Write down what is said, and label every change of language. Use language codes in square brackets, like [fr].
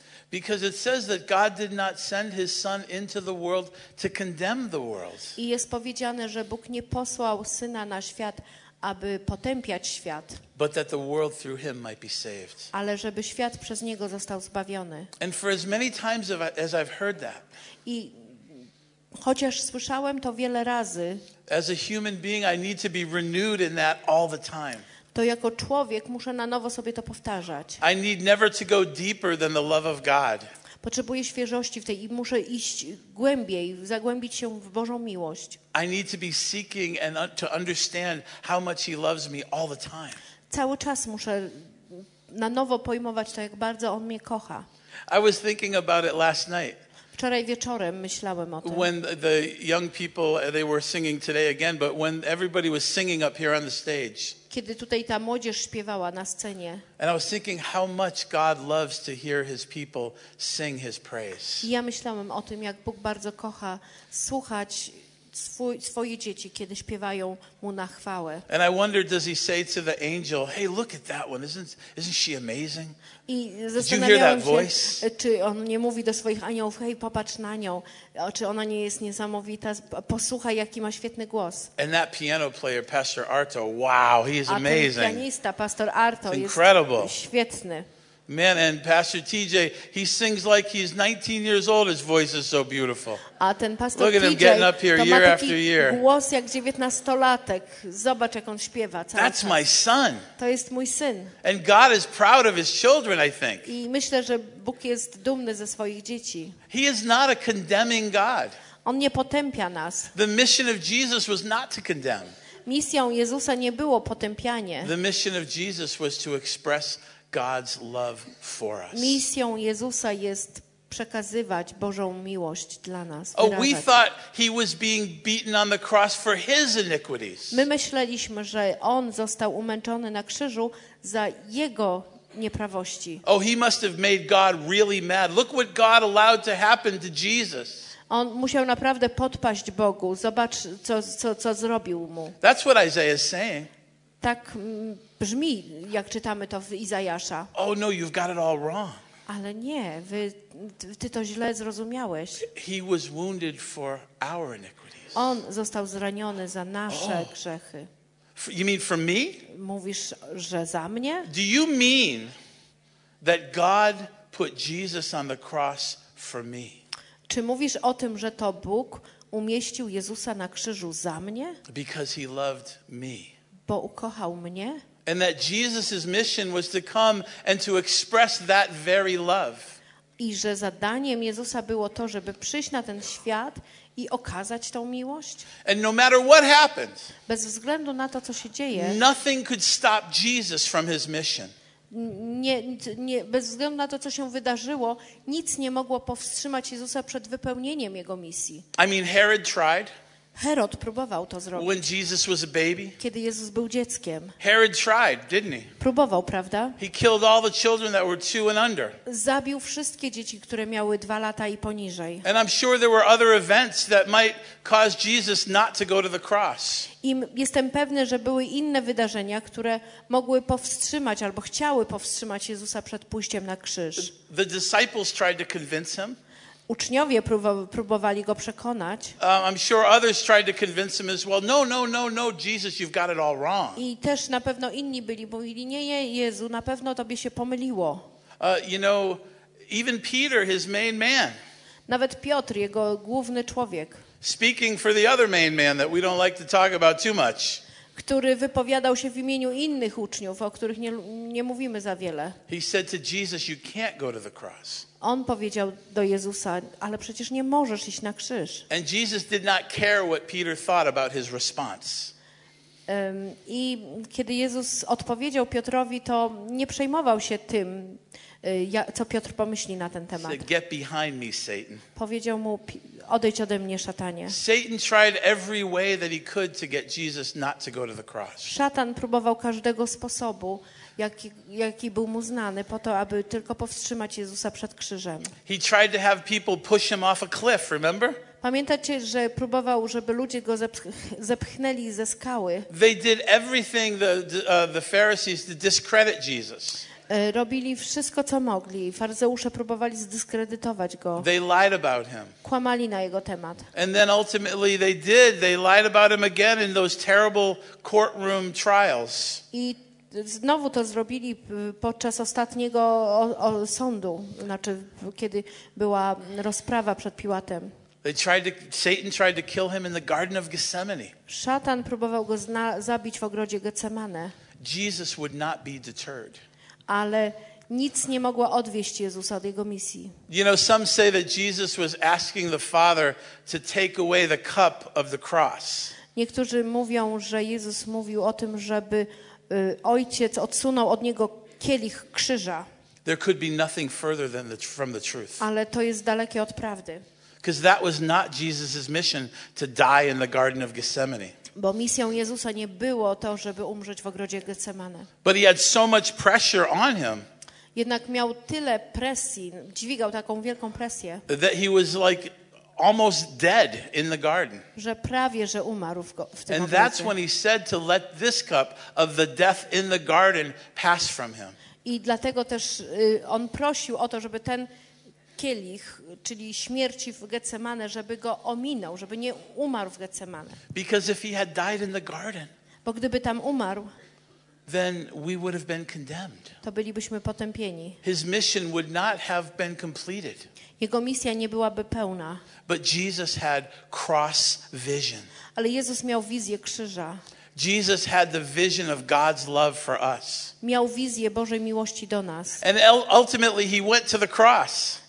[en] Because it says that God did not send his son into the world to condemn the world. [pl] I jest powiedziane, że Bóg nie posłał syna na świat, aby potępiać świat. [en] But that the world through him might be saved. [pl] Ale żeby świat przez niego został zbawiony. [en] And for as many times as I've heard that. [pl] I chociaż słyszałem to wiele razy. [en] As a human being, I need to be renewed in that all the time. [pl] To jako człowiek muszę na nowo sobie to powtarzać. [en] I need never to go deeper than the love of God. [pl] Potrzebuję świeżości w tej i muszę iść głębiej, zagłębić się w Bożą miłość. [en] I need to be seeking and to understand how much he loves me all the time. [pl] Cały czas muszę na nowo pojmować to, jak bardzo on mnie kocha. [en] I was thinking about it last night. [pl] Wczoraj wieczorem myślałem o tym. [en] When the young people, they were singing today again, but when everybody was singing up here on the stage. [pl] Kiedy tutaj ta młodzież śpiewała na scenie. [en] And I was thinking how much God loves to hear his people sing his praise. [pl] I ja myślałem o tym, jak Bóg bardzo kocha słuchać swoje dzieci, kiedy śpiewają mu na chwałę. [en] And I wonder, does he say to the angel, hey, look at that one, isn't she amazing? [pl] I zastanawiałem się, czy on nie mówi do swoich aniołów, hej, popatrz na nią, czy ona nie jest niesamowita, posłuchaj, jaki ma świetny głos. [en] And that piano player, Pastor Arto, wow, he is amazing. [pl] A ten pianista, Pastor Arto, jest świetny. [en] Man, and Pastor TJ, he sings like he's 19 years old. His voice is so beautiful. [pl] A ten pastor [en] look at TJ, him getting up here year after year. [pl] Głos jak 19-latek. Zobacz, jak on śpiewa cały [en] That's [pl] czas. [en] My son. [pl] To jest mój syn. [en] And God is proud of his children, I think. [pl] I myślę, że Bóg jest dumny ze swoich dzieci. [en] He is not a condemning God. [pl] On nie potępia nas. [en] The mission of Jesus was not to condemn. [pl] Misją Jezusa nie było potępianie. [en] The mission of Jesus was to express God's love for us. [pl] Misją Jezusa jest przekazywać Bożą miłość dla nas. [en] Oh, we thought he was being beaten on the cross for his iniquities. [pl] My myśleliśmy, że on został umęczony na krzyżu za jego nieprawości. [en] Oh, he must have made God really mad. Look what God allowed to happen to Jesus. [pl] On musiał naprawdę podpaść Bogu. Zobacz, co zrobił mu. [en] That's what Isaiah is saying. [pl] Tak brzmi, jak czytamy to w Izajasza. [en] Oh no, you've got it all wrong. [pl] Ale nie, ty to źle zrozumiałeś. [en] He was wounded for our iniquities. [pl] On został zraniony za nasze grzechy. [en] You mean for me? [pl] Mówisz, że za mnie? [en] Do you mean that God put Jesus on the cross for me? [pl] Czy mówisz o tym, że to Bóg umieścił Jezusa na krzyżu za mnie? [en] Because he loved me. [pl] Bo ukochał mnie? [en] And that Jesus's mission was to come and to express that very love. [pl] I że zadaniem Jezusa było to, żeby przyjść na ten świat i okazać tą miłość. [en] And no matter what happens, [pl] bez względu na to, co się dzieje, [en] nothing could stop Jesus from his mission. [pl] Nie, bez względu na to, co się wydarzyło, nic nie mogło powstrzymać Jezusa przed wypełnieniem jego misji. [en] I mean, Herod tried. [pl] Herod próbował to zrobić. [en] When Jesus was a baby. [pl] Kiedy Jezus był dzieckiem. [en] Herod tried, didn't he? [pl] Próbował, prawda? [en] He killed all the children that were two and under. [pl] Zabił wszystkie dzieci, które miały 2 lata i poniżej. [en] And I'm sure there were other events that might cause Jesus not to go to the cross. [pl] I jestem pewny, że były inne wydarzenia, które mogły powstrzymać albo chciały powstrzymać Jezusa przed pójściem na krzyż. [en] The disciples tried to convince him. [pl] Uczniowie próbowali go przekonać. [en] I'm sure others tried to convince him as well. No, no, no, no, Jesus, you've got it all wrong. [pl] I też na pewno inni byli, bo mówili, nie, nie, Jezu, na pewno tobie się pomyliło. [en] You know, even Peter, his main man. [pl] Nawet Piotr, jego główny człowiek. [en] Speaking for the other main man that we don't like to talk about too much. [pl] Który wypowiadał się w imieniu innych uczniów, o których nie mówimy za wiele. [en] He said to Jesus, you can't go to the cross. [pl] On powiedział do Jezusa, ale przecież nie możesz iść na krzyż. [en] And Jesus did not care what Peter thought about his response. [pl] I kiedy Jezus odpowiedział Piotrowi, to nie przejmował się tym, co Piotr pomyśli na ten temat. [en] He said, get behind me, Satan. [pl] Powiedział mu, odejdź ode mnie, szatanie. [en] Satan tried every way that he could to get Jesus not to go to the cross. [pl] Szatan próbował każdego sposobu, jaki był mu znany, po to, aby tylko powstrzymać Jezusa przed krzyżem. [en] He tried to have people push him off a cliff, remember? [pl] Pamiętacie, że próbował, żeby ludzie go zepchnęli ze skały? [en] They did everything the Pharisees to discredit Jesus. [pl] Robili wszystko, co mogli. Faryzeusze próbowali zdyskredytować go. [en] They lied about him. [pl] Kłamali na jego temat. [en] And then ultimately they did. They lied about him again in those terrible courtroom trials. [pl] I znowu to zrobili podczas ostatniego sądu, znaczy kiedy była rozprawa przed Piłatem. [en] Satan tried to kill him in the Garden of Gethsemane. [pl] Szatan próbował go zabić w ogrodzie Getsemane. [en] Jesus would not be deterred. [pl] Ale nic nie mogło odwieść Jezusa od jego misji. [en] You know, some say that Jesus was asking the Father to take away the cup of the cross. [pl] Niektórzy mówią, że Jezus mówił o tym, żeby Ojciec odsunął od niego kielich krzyża. [en] There could be nothing further than from the truth. [pl] Ale to jest dalekie od prawdy. [en] Because that was not Jesus's mission to die in the Garden of Gethsemane. [pl] Bo misją Jezusa nie było to, żeby umrzeć w ogrodzie Getsemane. [en] But he had so much pressure on him. [pl] Jednak miał tyle presji, dźwigał taką wielką presję. [en] That he was like almost dead in the garden. [pl] Że prawie że umarł w tym ogrodzie. [en] And that's when he said to let this cup of the death in the garden pass from him. [pl] I dlatego też on prosił o to, żeby ten kielich, czyli śmierci w Getsemane, żeby go ominął, żeby nie umarł w Getsemane. [en] Because if he had died in the garden, [pl] bo gdyby tam umarł, [en] then we would have been condemned. [pl] To bylibyśmy potępieni. [en] His mission would not have been completed. [pl] Jego misja nie byłaby pełna. [en] But Jesus had cross vision. [pl] Ale Jezus miał wizję krzyża. [en] Jesus had the vision of God's love for us. [pl] Miał wizję Bożej miłości do nas. [en] And ultimately he went to the cross.